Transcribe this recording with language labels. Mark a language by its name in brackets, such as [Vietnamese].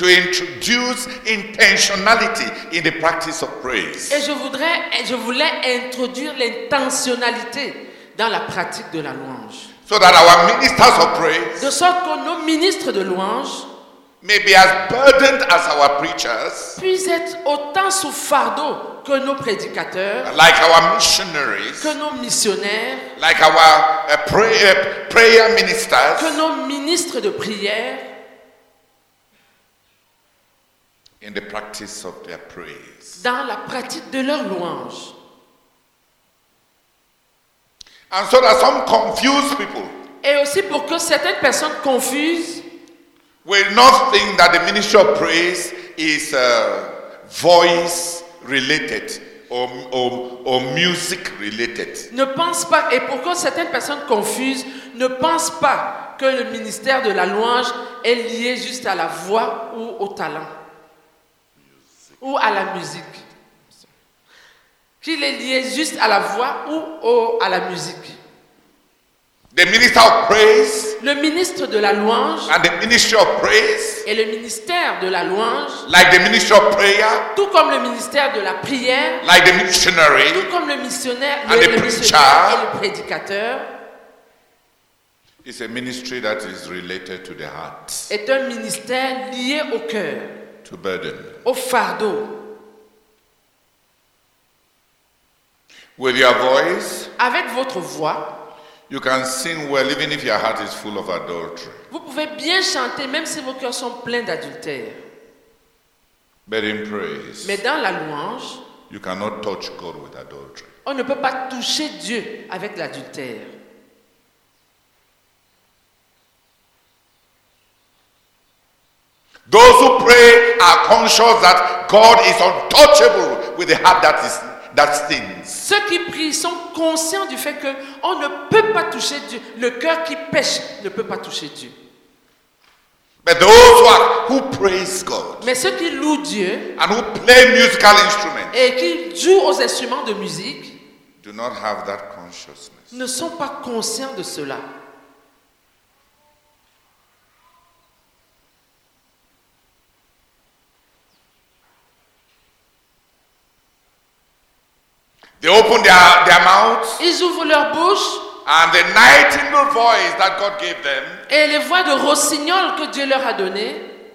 [English] to introduce intentionality in the practice of praise. [French] Et je voulais introduire l'intentionnalité dans la pratique de la louange. [English] So that our ministers of praise, [French] de sorte que nos ministres de louange, [English] may be as burdened as our preachers, [French] puissent être autant sous fardeau que nos prédicateurs, [English] like our missionaries, [French] que nos missionnaires, [English] like our prayer ministers, [French] que nos ministres de prière, [English] in the practice of their praise, [French] dans la pratique de leur louange. [English] And so that some confused people, [French] et aussi pour que certaines personnes confuses, [English] will not think that the ministry of praise is voice related or music related. [French] Ne pense pas, et pour que certaines personnes confuses ne pensent pas que le ministère de la louange est lié juste à la voix ou au talent music. Ou à la musique. Qu'il est lié juste à la voix ou à la musique. [English] The minister of praise, [French] le ministre de la louange, [English] and the ministry of praise, [French] et le ministère de la louange, [English] like the ministry of prayer, [French] tout comme le ministère de la prière, [English] like the missionary, [French] tout comme le missionnaire, [English] and [French] le [English] preacher, [French] et le prédicateur, [English] is a ministry that is related to the heart, [French] est un ministère lié au cœur, [English] to burden, [French] au fardeau. [English] With your voice, [French] avec votre voix, [English] you can sing well even if your heart is full of adultery. [French] Vous pouvez bien chanter même si vos cœurs sont pleins d'adultère. [English] But in praise, [French] mais dans la louange, [English] you cannot touch God with adultery. [French] On ne peut pas toucher Dieu avec l'adultère. [English] Those who pray are conscious that God is untouchable with the heart that is. [French] Ceux qui prient sont conscients du fait que on ne peut pas toucher Dieu. Le cœur qui pêche ne peut pas toucher Dieu. [English] But those who praise God, [French] mais ceux qui louent Dieu, [English] and who play musical instruments, [French] et qui jouent aux instruments de musique, [English] do not have that consciousness. [French] Ne sont pas conscients de cela. [English] They open their mouths. [French] Ils ouvrent leur bouche. [English] And the nightingale voice that God gave them. [French] Et les voix de rossignol que Dieu leur a donné.